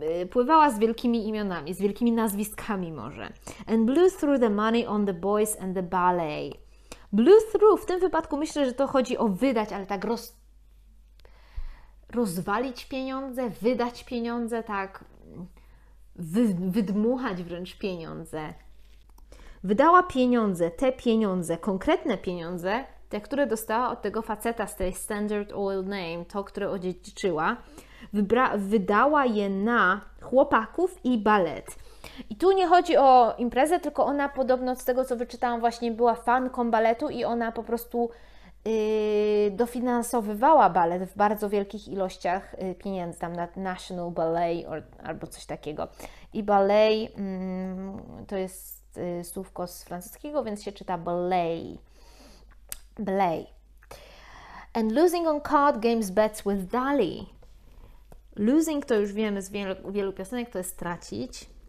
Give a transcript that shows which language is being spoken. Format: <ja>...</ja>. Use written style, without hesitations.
<pl>Pływała z wielkimi imionami, z wielkimi nazwiskami może.</pl> <en>And blew through the money on the boys and the ballet. Blew through,</en> <pl>w tym wypadku myślę, że to chodzi o wydać, ale tak rozwalić pieniądze, wydać pieniądze, tak wydmuchać wręcz pieniądze. Wydała pieniądze, te pieniądze, konkretne pieniądze, te, które dostała od tego faceta z tej Standard Oil Name, to, które odziedziczyła, wydała je na chłopaków i balet. I tu nie chodzi o imprezę, tylko ona podobno, z tego co wyczytałam, właśnie była fanką baletu i ona po prostu dofinansowywała balet w bardzo wielkich ilościach pieniędzy, tam na National Ballet albo coś takiego. I ballet to jest słówko z francuskiego, więc się czyta ballet. Blay.</pl> <en>And losing on card games bets with Dali.</en> <pl>Losing, to już wiemy z wielu piosenek, to jest tracić.</pl>